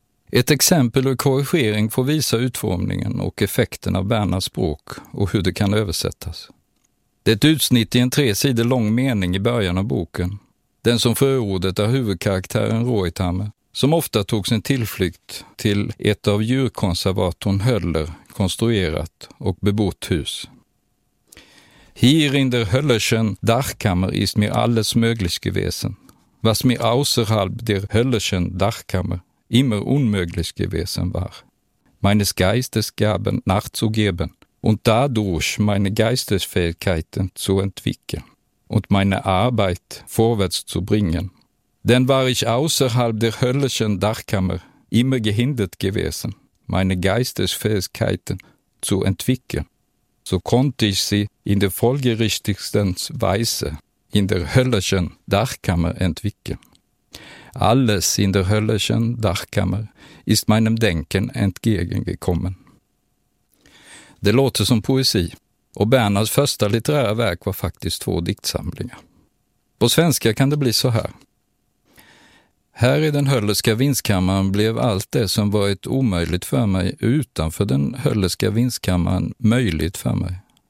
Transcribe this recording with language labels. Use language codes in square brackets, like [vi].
[sv] Ett exempel ur korrigering får visa utformningen och effekten av Bernhards språk och hur det kan översättas. Det är ett utsnitt i en 3 sidor lång mening i början av boken. Den som förordet av huvudkaraktären Reuthammer, som ofta tog sin tillflykt till ett av djurkonservatorn Höller konstruerat och bebott hus. [de] Hier in der Höllerschen Dachkammer ist mir alles möglich gewesen, was mir außerhalb der Höllerschen Dachkammer immer unmöglich gewesen war, meines Geistesgaben nachzugeben und dadurch meine Geistesfähigkeiten zu entwickeln und meine Arbeit vorwärts zu bringen. Denn war ich außerhalb der höllischen Dachkammer immer gehindert gewesen, meine Geistesfähigkeiten zu entwickeln, so konnte ich sie in der folgerichtigsten Weise in der höllischen Dachkammer entwickeln. Alles in der höllischen Dachkammer ist meinem Denken entgegengekommen. [sv] Det låter som poesi. Och Bernhards första litterära verk var faktiskt 2 diktsamlingar. På svenska kan det bli så här. Här i den höllerska vindskammaren blev allt det som varit omöjligt för mig utanför den höllerska vindskammaren möjligt för mig.